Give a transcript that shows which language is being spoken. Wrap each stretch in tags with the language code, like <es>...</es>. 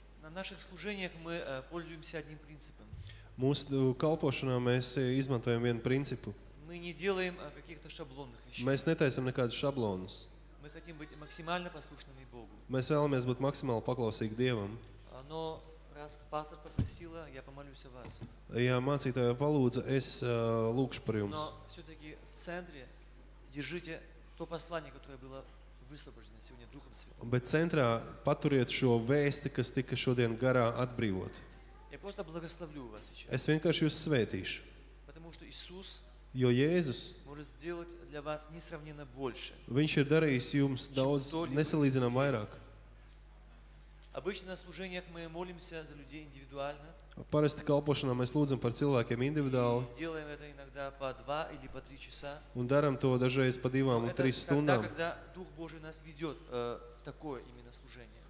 <ru>наших служениях мы пользуемся одним принципом.</ru> <lv>Mūsu kalpošanā mēs izmantojam vienu principu.</lv> <ru>Мы не делаем каких-то шаблонных вещей.</ru> <lv>Mēs netaisam nekādus šablonus.</lv> <ru>Мы хотим быть максимально послушными Богу.</ru> <lv>Mēs vēlamies būt maksimāli paklausīgi Dievam.</lv> <ru>Но раз пастор попросила, я помолюсь о вас.</ru> <lv>Ja mācītāja palūdza, es lūkšu par jums.</lv> <ru>Но всё-таки в центре держите то послание, которое было высвобождено сегодня Духом Святым.</ru> <lv>Bet centrā paturiet šo vēsti, kas tika šodien garā atbrīvot.</lv> <ru>Я просто благословлю вас сейчас.</ru> <lv>Es vienkārši jūs svētīšu.</lv> <ru>Потому что Иисус</ru> <lv>Jo Jēzus</lv> <ru>может сделать для вас несравненно больше.</ru> <lv>Viņš ir darījis jums daudz nesalīdzinām vairāk.</lv> <ru>Обычно в служениях мы молимся за людей индивидуально.</ru> <lv>Parasti kalpošanā mēs lūdzam par cilvēkiem individuāli.</lv> <ru>Делаем это иногда по 2 или по 3 часа.</ru> <lv>Un darām to dažreiz pa 2 un 3 stundām.</lv> <ru>Когда Дух Божий нас ведёт в такое именно служение.</ru>